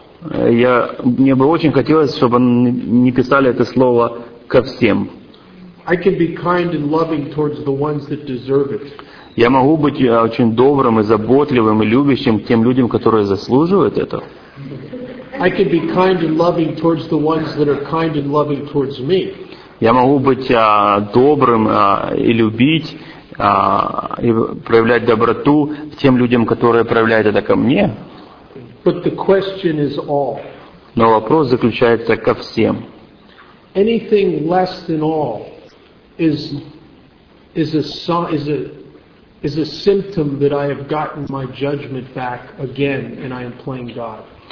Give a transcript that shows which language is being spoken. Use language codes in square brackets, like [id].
[ru] Мне бы очень хотелось, чтобы не писали это слово ко всем. [en] I can be kind and loving towards the ones that deserve it. [ru] Я могу быть очень добрым и заботливым и любящим к тем людям, которые заслуживают этого. [en] I can be kind and loving towards the ones that are kind and loving towards me. [ru] Я могу быть добрым и любить и проявлять доброту к тем людям, которые проявляют это ко мне. [en] But the question is all. [ru] Но вопрос заключается ко всем. [en] Anything less than all is a symptom that I have gotten my judgment back again, and I am playing God.